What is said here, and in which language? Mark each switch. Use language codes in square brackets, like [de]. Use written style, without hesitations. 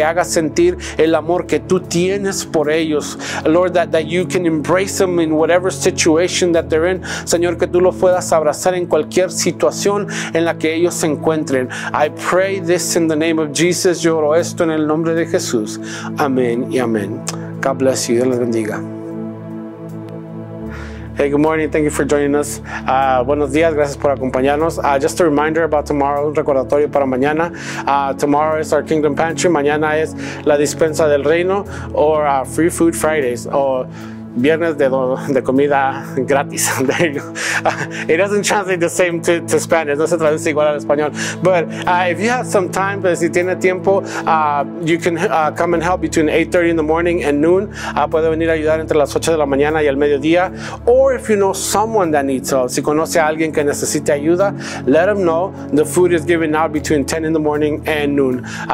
[es] Que hagas sentir el amor que tú tienes por ellos. [en] Lord, that you can embrace them in whatever situation that they're in. [es] Señor, que tú los puedas abrazar en cualquier situación en la que ellos se encuentren. [en] I pray this in the name of Jesus. [es] Yo oro esto en el nombre de Jesús. Amén y amén. [en] God bless you. [es] Dios les bendiga. [en] Hey, good morning. Thank you for joining us. [es] Buenos días. Gracias por acompañarnos. [en] Just a reminder about tomorrow, [es] un recordatorio para mañana. [en] Tomorrow is our Kingdom Pantry. [es] Mañana es la dispensa del reino, or Free Food Fridays, or Viernes de comida gratis. [en] There you go. It doesn't translate the same to Spanish. [es] No se traduce igual al español. [en] But if you have some time, [es] pues, si tiene tiempo, [en] you can come and help between 8:30 in the morning and noon. [es] Puede venir a ayudar entre las 8 de la mañana y el mediodía. [en] Or if you know someone that needs help, [es] si conoce a alguien que necesite ayuda, [en] let them know. The food is given out between 10 in the morning and noon.